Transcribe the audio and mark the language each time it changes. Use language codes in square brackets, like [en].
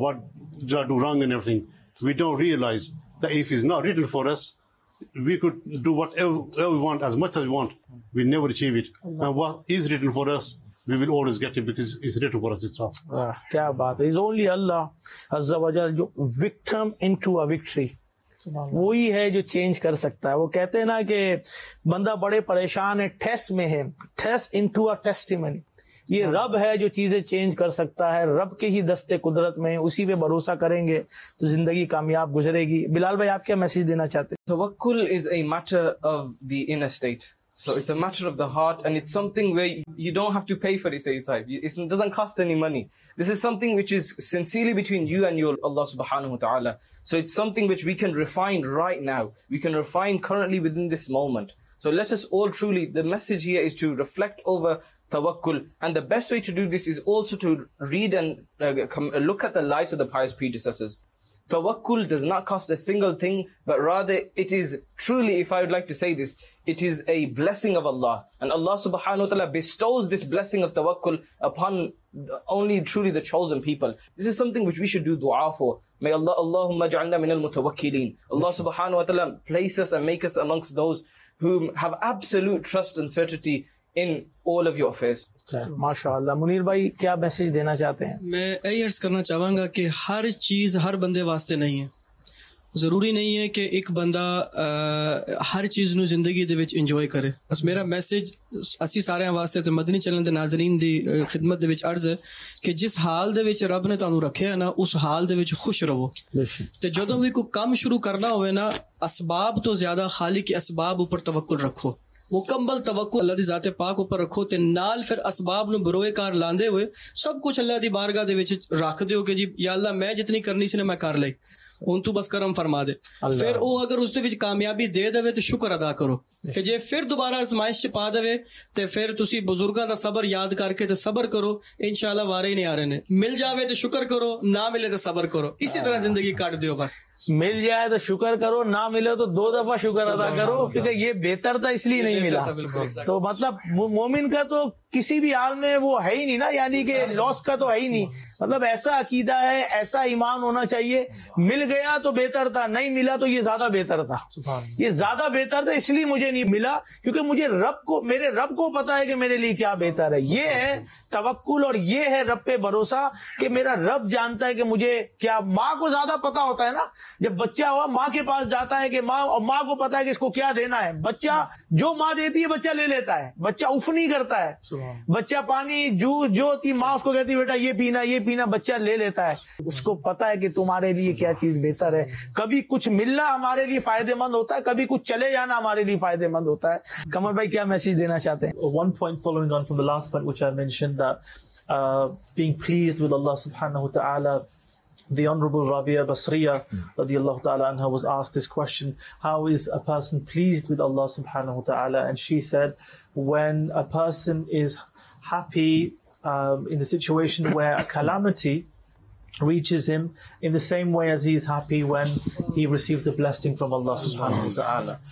[en] What did I do wrong and everything? We don't realize that if it's not written for us, we could do whatever we want, as much as we want. We never achieve it. And what is written for us, we will always get it because it's written for us itself. [ur] Kya baat. [en] It's only Allah Azza wa Jal, jo victim into a victory. [ur] وہی ہے جو change کر سکتا ہے. وہ کہتے ہیں نا کہ بندہ بڑے پریشان ہے, ٹیسٹ میں ہے, [en] Test into a testimony. [ur] یہ رب ہے جو چیزیں چینج کر سکتا ہے, رب کے ہی دستے قدرت میں, اسی پہ بھروسہ کریں گے تو زندگی کامیاب گزرے گی. بلال بھائی, آپ کیا میسج دینا چاہتے ہیں؟ [en] توکل is a matter of the inner state. So it's a matter of the heart, and it's something where you don't have to pay for it, Sayyid. It doesn't cost any money. This is something which is sincerely between you and your Allah subhanahu wa ta'ala. So it's something which we can refine right now. We can refine currently within this moment. So let us all truly, the message here is to reflect over tawakkul. And the best way to do this is also to read and look at the lives of the pious predecessors. Tawakkul does not cost a single thing, but rather it is truly, if I would like to say this, it is a blessing of Allah. And Allah subhanahu wa ta'ala bestows this blessing of tawakkul upon only truly the chosen people. This is something which we should do dua for. May Allah, [ar] Allahumma ja'alna minal mutawakkilin. [en] Allah subhanahu wa ta'ala place us and make us amongst those who have absolute trust and certainty in all of your affairs. [ur] ماشاءاللہ. منیر بھائی, کیا message دینا چاہتے ہیں؟ میں یہ عرض کرنا چاہوں گا کہ ہر چیز ہر بندے واسطے نہیں ہے. [pa] ضروری نہیں ہے کہ ایک بندہ ہر چیز نو زندگی دے وچ انجوائے کرے. بس میرا میسج اسی سارے واسطے تے مدنی چلن دے ناظرین دی خدمت دے وچ عرض ہے کہ جس حال دے وچ رب نے تانوں رکھے ہے نا, اس حال دے وچ خوش رہو. تے جدوں بھی کوئی کام شروع کرنا ہوئے نا, اسباب تو زیادہ خالق اسباب اوپر توکل رکھو. مکمل توکل اللہ دی ذات پاک اوپر رکھو, تے نال پھر اسباب نو بروئے کار لاندے ہوئے سب کچھ اللہ دی بارگاہ دے وچ رکھ دیو کہ جی یا اللہ میں جتنی کرنی سی نا میں کر لئی, ہوں تو بس کرم فرما دے. پھر وہ اگر اس دے وچ کامیابی دے دے تو شکر ادا کرو, کہ جے پھر دوبارہ آزمائش چ پا دے تے پھر تسی بزرگاں دا صبر یاد کر کے تے صبر کرو, انشاءاللہ وارے نہیں آ رہے نے. مل جاوے تو شکر کرو, نہ ملے تو صبر کرو, اسی طرح زندگی کٹ دیو بس. [ur] مل جائے تو شکر کرو، نہ ملے تو دو دفعہ شکر ادا کرو، کیونکہ یہ بہتر تھا اس لیے نہیں ملا. تو مطلب مومن کا تو کسی بھی حال میں وہ ہے ہی نہیں نا، یعنی کہ لاس کا تو ہے ہی نہیں. مطلب ایسا عقیدہ ہے، ایسا ایمان ہونا چاہیے، مل گیا تو بہتر تھا، نہیں ملا تو یہ زیادہ بہتر تھا. یہ زیادہ بہتر تھا اس لیے مجھے نہیں ملا، کیونکہ مجھے رب کو، میرے رب کو پتا ہے کہ میرے لیے کیا بہتر ہے. یہ ہے توکل اور یہ ہے رب پہ بھروسہ، کہ میرا رب جانتا ہے کہ مجھے کیا. ماں کو زیادہ پتا ہوتا ہے نا، جب بچہ ہوا ماں کے پاس جاتا ہے کہ ماں، اور ماں کو پتا ہے کہ اس کو کیا دینا ہے. بچہ جو ماں دیتی ہے بچہ لے لیتا ہے، بچہ اف نہیں کرتا ہے. بچہ پانی جوس جو ہوتی ماں اس کو کہتی بیٹا یہ پینا یہ پینا، بچہ لے لیتا ہے. اس کو پتا ہے کہ تمہارے لیے کیا چیز بہتر ہے. کبھی کچھ ملنا ہمارے لیے فائدہ مند ہوتا ہے، کبھی کچھ چلے جانا ہمارے لیے فائدہ مند ہوتا ہے. قمر بھائی کیا میسج دینا چاہتے ہیں؟ [en] One point following on from the last part which I mentioned, that being pleased with Allah subhanahu wa ta'ala, the Honorable Rabia Basriya radiallahu ta'ala anha was asked this question, how is a person pleased with Allah subhanahu wa ta'ala? And she said, when a person is happy in the situation where a calamity reaches him, in the same way as he's happy when he receives a blessing from Allah subhanahu wa ta'ala.